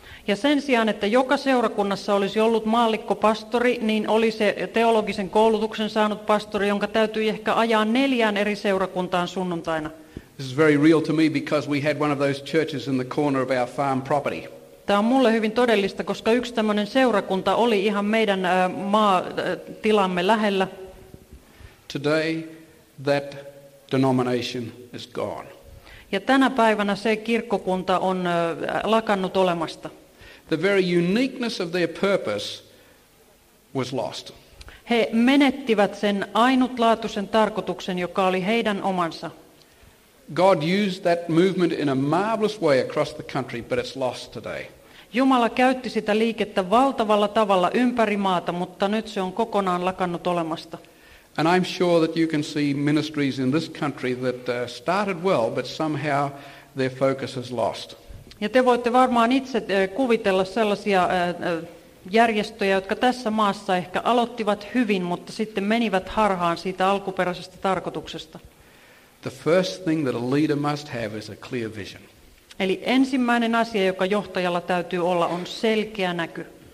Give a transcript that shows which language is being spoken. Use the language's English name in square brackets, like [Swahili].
[Finnish] Ja sen sijaan, että joka seurakunnassa olisi ollut maallikkopastori, niin oli se teologisen koulutuksen saanut pastori, jonka täytyy ehkä ajaa 4 eri seurakuntaan sunnuntaina. [English] This is very real to me because we had one of those churches in the corner of our farm property. [Finnish] Tämä on mulle hyvin todellista, koska yksi tämmöinen seurakunta oli ihan meidän maatilamme lähellä. [English] Today that denomination is gone. [Finnish] Ja tänä päivänä se kirkkokunta on lakannut olemasta. [English] The very uniqueness of their purpose was lost. [Finnish] He menettivät sen ainutlaatuisen tarkoituksen, joka oli heidän omansa. [English] God used that movement in a marvelous way across the country, but it's lost today. [Finnish] Jumala käytti sitä liikettä valtavalla tavalla ympäri maata, mutta nyt se on kokonaan lakannut olemasta. [English] And I'm sure that you can see ministries in this country that started well, but somehow their focus is lost. [Finnish] Ja te voitte varmaan itse kuvitella sellaisia järjestöjä, jotka tässä maassa ehkä aloittivat hyvin, mutta sitten menivät harhaan siitä alkuperäisestä tarkoituksesta. [English] The first thing that a leader must have is a clear vision. [Finnish] Eli ensimmäinen asia, joka johtajalla täytyy olla, on selkeä näky.